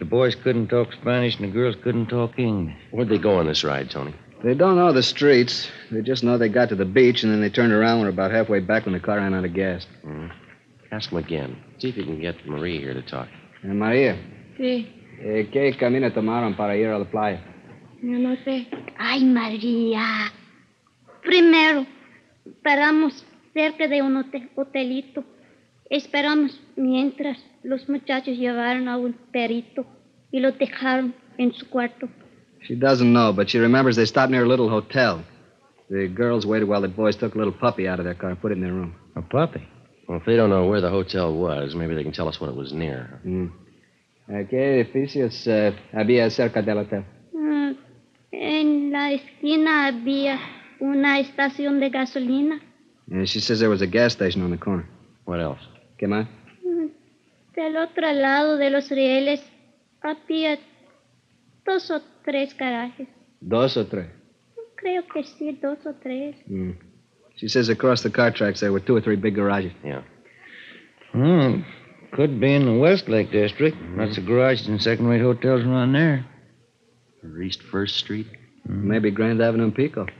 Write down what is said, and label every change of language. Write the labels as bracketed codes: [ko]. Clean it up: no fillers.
[en] The boys couldn't talk Spanish and the girls couldn't talk English. Where'd they go on this ride, Tony? They don't know the streets. They just know they got to the beach and then they turned around and were about halfway back when the car ran out of gas. Mm-hmm. Ask him again. See if you can get Marie here to talk. Maria. [es] Sí. ¿Qué camino tomaron para ir a la playa? Yo no sé. Ay, Maria. Primero, paramos cerca de un hotelito. Esperamos mientras los muchachos llevaron a un perito y lo dejaron en su cuarto. [en] She doesn't know, but she remembers they stopped near a little hotel. The girls waited while the boys took a little puppy out of their car and put it in their room. A puppy? Well, if they don't know where the hotel was, maybe they can tell us what it was near. [es] ¿Qué edificios había cerca del hotel? En la esquina había una estación de gasolina. [en] And she says there was a gas station on the corner. What else? [es] ¿Qué más? Del otro lado de los rieles había dos o tres garajes. ¿Dos o tres? Creo que sí, dos o tres. [en] She says across the car tracks there were two or three big garages. Yeah. Could be in the Westlake District. Mm-hmm. Lots of garages and second-rate hotels around there. Or East First Street. Mm-hmm. Maybe Grand Avenue and Pico.